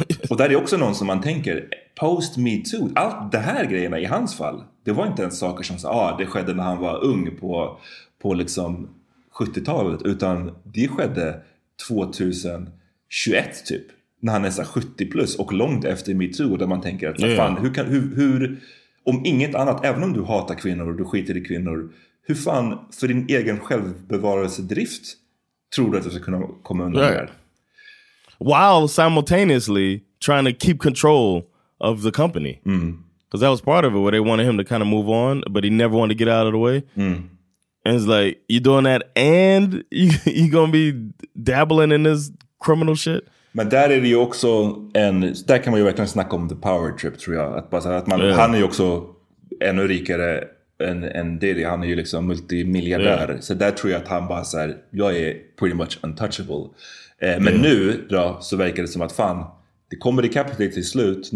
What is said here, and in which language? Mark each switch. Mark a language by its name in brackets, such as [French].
[Swedish] Och där är också någon som man tänker, post me too, allt det här grejerna i hans fall, det var inte ens saker som sa, det skedde när han var ung på liksom 70-talet, utan det skedde 2021 typ, när han är så 70 plus och långt efter me too, och där man tänker att, fan, hur om inget annat, även om du hatar kvinnor och du skiter i kvinnor, hur fan för din egen självbevarelsedrift tror du att du ska kunna komma undan det här? [English] While simultaneously trying to keep control of the company. Because that was part of it, where they wanted him to kind of move on, but he never wanted to get out of the way. And it's like, you're doing that and you're going to be dabbling in this criminal shit? [Swedish] Men där är det ju också en... Där kan man ju verkligen snacka om [English] the power trip, [Swedish] tror jag. Att man, han är ju också ännu rikare än Diddy. Han är ju liksom multimiljardär. Yeah. Så där tror jag att han bara säger, jag är [English] pretty much untouchable. [Swedish] Men nu då, så verkar det som att fan, det kommer i kapitlet till slut.